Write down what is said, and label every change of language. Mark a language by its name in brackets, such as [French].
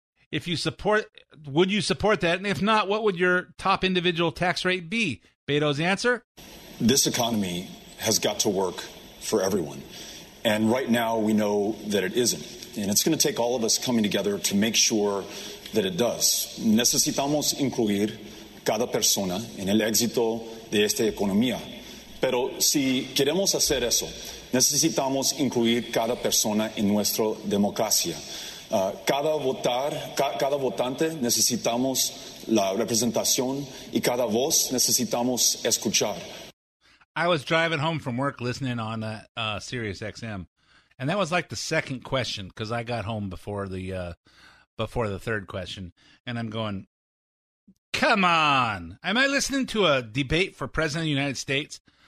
[English] If you support, would you support that? And if not, what would your top individual tax rate be? Beto's answer: this economy has got to work for everyone. And right now we know that it isn't. And it's going to take all of us coming together to make sure that it does. [Spanish] Necesitamos incluir cada persona en el éxito de esta economía. Pero si queremos hacer eso, necesitamos incluir cada persona en nuestra democracia. Cada votante necesitamos la representación y cada voz necesitamos escuchar. [English] I was driving home from work listening on Sirius XM, and that was like the second question, because I got home before the third question, and I'm going, come on, am I listening to a debate for president of the United States?